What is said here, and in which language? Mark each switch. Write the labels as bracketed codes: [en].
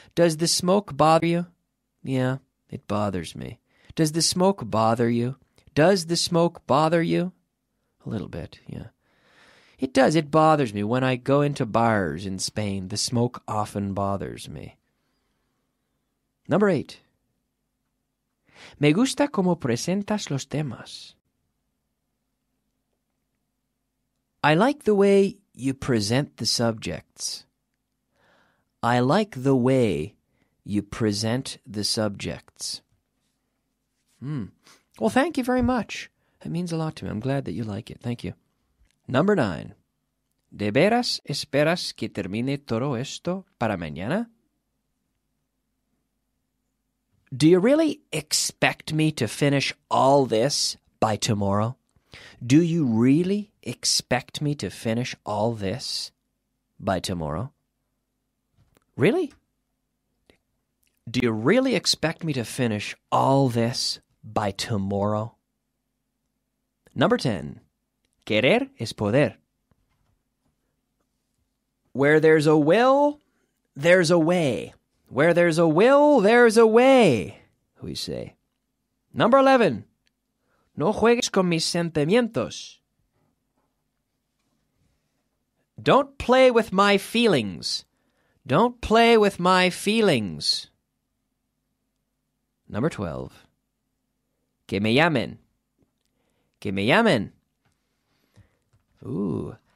[en] Does the smoke bother you? Yeah, it bothers me. Does the smoke bother you? Does the smoke bother you? A little bit, yeah. It does. It bothers me. When I go into bars in Spain, the smoke often bothers me. Number eight. [es] Me gusta cómo presentas los temas. [en] I like the way you present the subjects. I like the way you present the subjects. Well, thank you very much. That means a lot to me. I'm glad that you like it. Thank you. Number nine. [es] ¿De veras esperas que termine todo esto para mañana? [en] Do you really expect me to finish all this by tomorrow? Do you really expect me to finish all this by tomorrow? Really? Do you really expect me to finish all this by tomorrow? Number 10. [es] Querer es poder. [en] Where there's a will, there's a way. Where there's a will, there's a way, we say. Number 11. [es] No juegues con mis sentimientos. [en] Don't play with my feelings. Don't play with my feelings. Number 12. [es] Que me llamen. Que me llamen. Ooh.